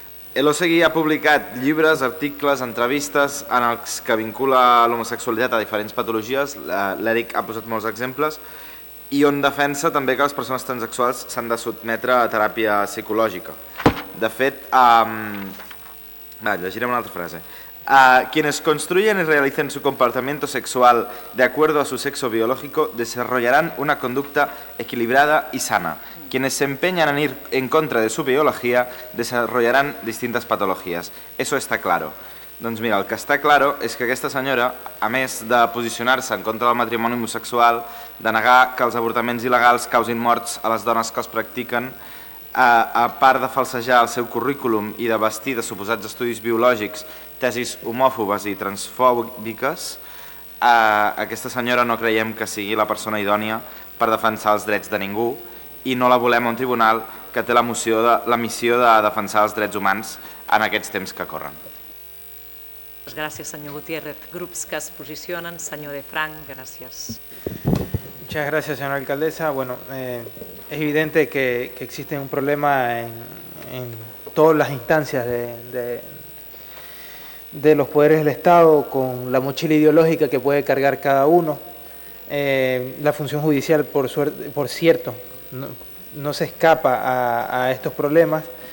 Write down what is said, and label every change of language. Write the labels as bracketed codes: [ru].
[ca] Elosegui ha publicat llibres, articles, entrevistes en els que vincula l'homosexualitat a diferents patologies, l'Eric ha posat molts exemples, i on defensa també que les persones transsexuals s'han de sotmetre a teràpia psicològica. De fet, llegirem una altra frase. [es] Quienes construyen y realicen su comportamiento sexual de acuerdo a su sexo biológico desarrollarán una conducta equilibrada y sana. Quienes se empeñan en ir en contra de su biología desarrollarán distintas patologías. Eso está claro. [ca] Doncs mira, el que està claro és que aquesta senyora, a més de posicionar-se en contra del matrimoni homosexual, de negar que els avortaments il·legals causin morts a les dones que els practiquen, a part de falsejar el seu currículum i de vestir de suposats estudis biològics tesis homòfobes i transfòbiques, aquesta senyora no creiem que sigui la persona idònia per defensar els drets de ningú i no la volem a un tribunal que té la missió de defensar els drets humans en aquests temps que corren. Gràcies, senyor Gutiérrez. Grups que es posicionen, senyor De Frank, gràcies. [es] Muchas gracias, señora alcaldesa. Bueno, es evidente que existe un problema en todas las instancias de los poderes del Estado con la mochila ideológica que puede cargar cada uno. La función judicial, por cierto, no se escapa a estos problemas.